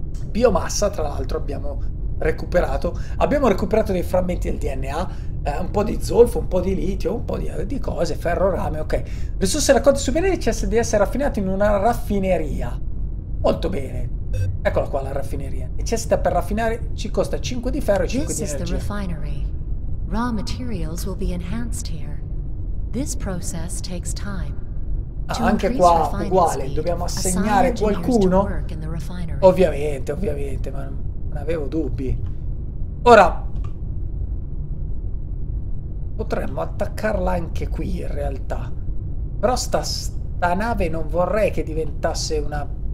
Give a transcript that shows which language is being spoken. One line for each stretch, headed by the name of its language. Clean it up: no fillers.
Italian: Biomassa, tra l'altro, abbiamo recuperato. Abbiamo recuperato dei frammenti del DNA. Un po' di zolfo, un po' di litio, un po' di cose, ferro, rame, ok. Risorse raccolte su pianeti necessitano di essere raffinate in una raffineria. Molto bene. Eccola qua la raffineria. Necessita per raffinare, ci costa 5 di ferro e 5 di energia. Questa è la raffineria.
English: Raw materials will be enhanced here. This process takes time.
Italian: Anche qua, uguale, dobbiamo assegnare qualcuno. Ovviamente, ovviamente, ma non avevo dubbi. Ora... Potremmo attaccarla anche qui, in realtà. Però sta nave non vorrei che diventasse una...